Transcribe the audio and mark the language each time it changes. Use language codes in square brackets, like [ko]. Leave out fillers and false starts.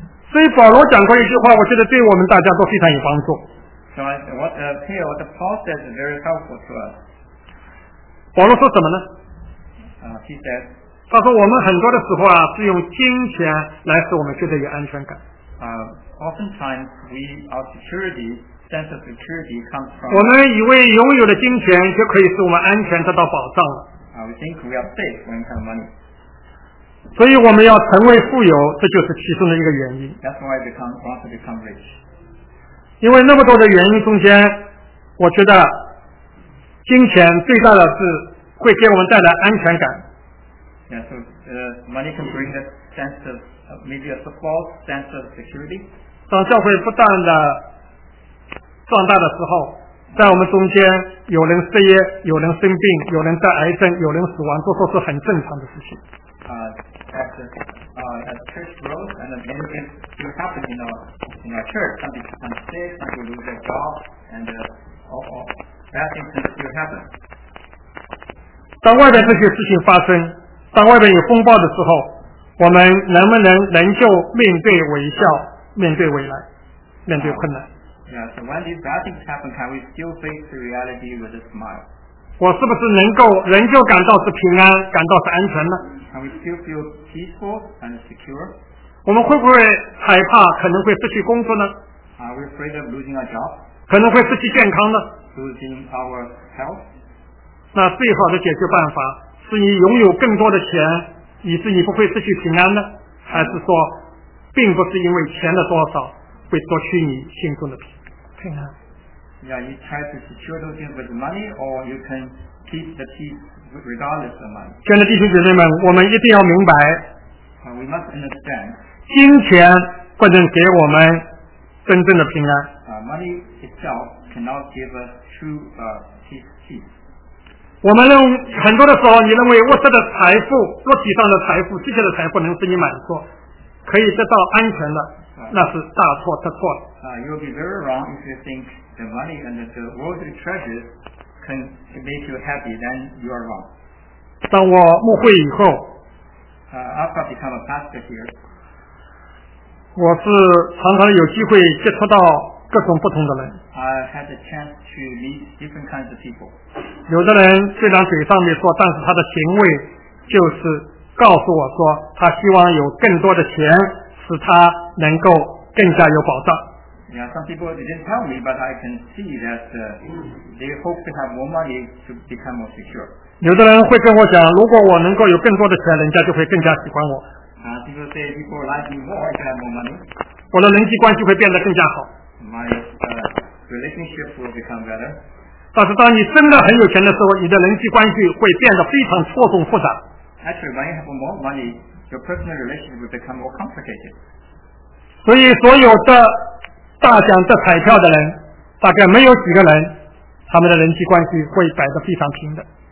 [zh] 所以保罗讲过一句话，我觉得对我们大家都非常有帮助。 [en] So I said, what Paul says is very helpful to us. [zh] 保罗说什么呢？ [en] He said, [zh] 他说我们很多的时候啊，是用金钱来使我们觉得有安全感。 [en] Oftentimes, our security, sense of security comes from. [zh] 我们以为拥有了金钱就可以使我们安全得到保障了。 [en] We think we are safe when we have money. [zh] 所以我们要成为富有，这就是其中的一个原因。 [en] That's why we want to become rich. [zh] 因为那么多的原因中间，我觉得金钱最大的是会给我们带来安全感。 [en] Yeah, so money can bring the sense of. Maybe a support sense of security. [zh] 当教会不断的壮大的时候，在我们中间有人失业，有人生病，有人得癌症，有人死亡，这都是很正常的事情。 [en] As church grows and many things do happen in our church, some people become sick, some people lose their job, and bad things do happen. [zh] 当外边这些事情发生，当外边有风暴的时候。我们能不能仍旧面对微笑，面对未来，面对困难？ [en] Yeah, so when these bad things happen, can we still face the reality with a smile? [zh] 我是不是能够仍旧感到是平安，感到是安全呢？ [en] Can we still feel peaceful and secure? [zh] 我们会不会害怕可能会失去工作呢？ [en] Are we afraid of losing our job? [zh] 可能会失去健康呢？ [en] Losing our health? [zh] 那最好的解决办法是你拥有更多的钱。以致你不会失去平安呢？还是说并不是因为钱的多少会夺取你心中的平安？ [en] Yeah, you try to secure those things with money or you can keep the peace regardless of money. [zh] 亲爱的弟兄姐妹们，我们一定要明白， [en] We must understand, [zh] 金钱不能给我们真正的平安。 [en] Money itself cannot give us true peace. [zh] 我们认为很多的时候你认为物质的财富，肉体上的财富，这些的财富能使你满足，可以得到安全的，那是大错特错了。 [en] You will be very wrong if you think the money and the worldly treasures can make you happy, then you are wrong. [zh] 当我牧会以后， [en] after I become a pastor here, [zh] 我是常常有机会接触到各种不同的人。 [en] I had the chance to meet different kinds of people. [zh] 有的人虽然嘴上没说，但是他的行为就是告诉我说，他希望有更多的钱，使他能够更加有保障。 [en] Yeah, some people didn't tell me, but I can see that they hope to have more money to become more secure. [zh] 有的人会跟我讲，如果我能够有更多的钱，人家就会更加喜欢我。 [en] People say people like you more if you have more money. [zh] 我的人际关系会变得更加好。 [en] My relationship will become better. [zh] 但是当你真的很有钱的时候，你的人际关系会变得非常错综复杂。 [en] Actually, when you have more money, your personal relationship will become more complicated. [zh] 所以所有的大奖的彩票的人，大概没有几个人，他们的人际关系会摆得非常平的。